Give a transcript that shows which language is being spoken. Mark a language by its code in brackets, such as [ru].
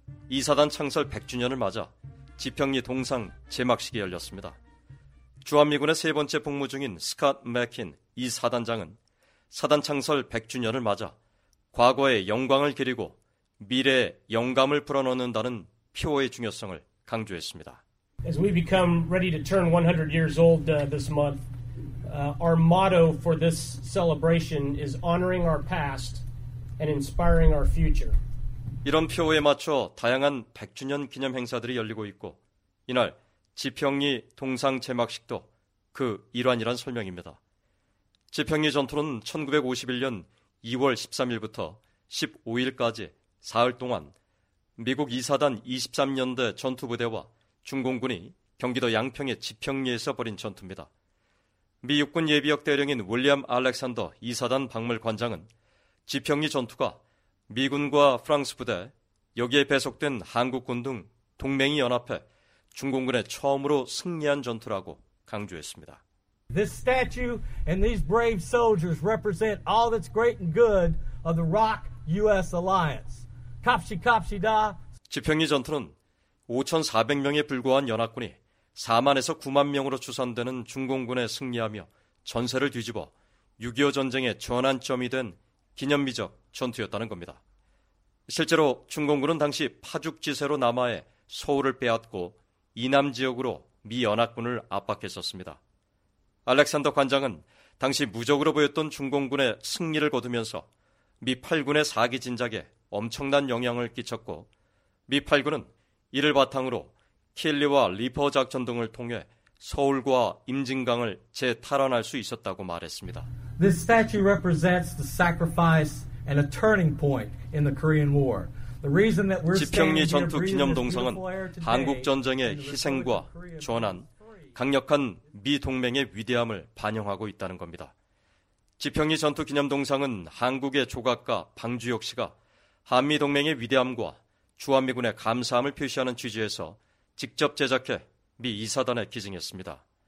[ko] 이사단 창설 100주년을 맞아 지평리 동상 제막식이 열렸습니다. 주한미군의 세 번째 복무 중인 스콧 맥힌 이사단장은 사단 창설 100주년을 맞아 과거의 영광을 기리고 미래의 영감을 불어넣는다는 표어의 중요성을 강조했습니다. [en] As we become ready to turn 100 years old this month, our motto for this celebration is honoring our past and inspiring our future. [ko] 이런 표어에 맞춰 다양한 100주년 기념 행사들이 열리고 있고 이날 지평리 동상 제막식도 그 일환이란 설명입니다. 지평리 전투는 1951년 2월 13일부터 15일까지 사흘 동안 미국 2사단 23연대 전투부대와 중공군이 경기도 양평의 지평리에서 벌인 전투입니다. 미 육군 예비역 대령인 윌리엄 알렉산더 2사단 박물관장은 지평리 전투가 미군과 프랑스 부대, 여기에 배속된 한국군 등 동맹이 연합해 중공군에 처음으로 승리한 전투라고 강조했습니다. [en] This statue and these brave soldiers represent all that's great and good of the ROC US alliance. [ko] 캅시 캅시다. 지평리 전투는 5,400명에 불과한 연합군이 4만에서 9만 명으로 추산되는 중공군에 승리하며 전세를 뒤집어 6.25 전쟁의 전환점이 된 기념비적 전투였다는 겁니다. 실제로 중공군은 당시 파죽지세로 남하에 서울을 빼앗고 이남 지역으로 미 연합군을 압박했었습니다. 알렉산더 관장은 당시 무적으로 보였던 중공군의 승리를 거두면서 미 8군의 사기 진작에 엄청난 영향을 끼쳤고 미 8군은 이를 바탕으로 킬리와 리퍼 작전 등을 통해 서울과 임진강을 재탈환할 수 있었다고 말했습니다. [en] This statue represents the sacrifice and a turning point in the Korean War. The reason that we're [ko] 지평리 전투 기념 동상은 한국 전쟁의 희생과 전환, 강력한 미 동맹의 위대함을 반영하고 있다는 겁니다. 지평리 전투 기념 동상은 한국의 조각가 방주혁 씨가 한미 동맹의 위대함과 주한미군의 감사함을 표시하는 취지에서 직접 제작해 미 2사단에 기증했습니다.